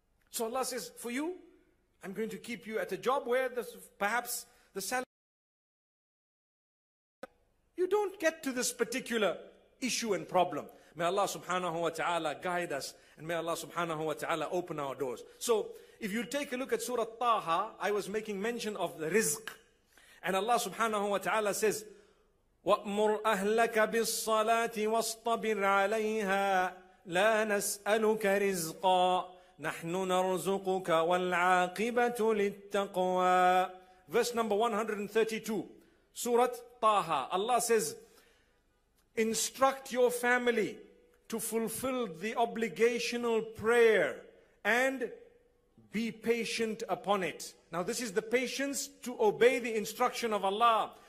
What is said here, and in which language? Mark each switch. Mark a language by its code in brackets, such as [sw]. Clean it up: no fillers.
[en] So Allah says, "For you, I'm going to keep you at a job where perhaps the salary, you don't get to this particular issue and problem." May Allah subhanahu wa ta'ala guide us, and may Allah subhanahu wa ta'ala open our doors. So if you take a look at Surah Taha, I was making mention of the rizq. And Allah subhanahu wa ta'ala says, [ar] وَأْمُرْ أَهْلَكَ بِالصَّلَاةِ وَاصْطَبِرْ عَلَيْهَا لَا نَسْأَلُكَ رِزْقًا نَحْنُ نَرْزُقُكَ وَالْعَاقِبَةُ لِلتَّقْوَى. [en] Verse number 132, Surah Taha. Allah says, instruct your family to fulfill the obligational prayer and be patient upon it. Now this is the patience to obey the instruction of Allah.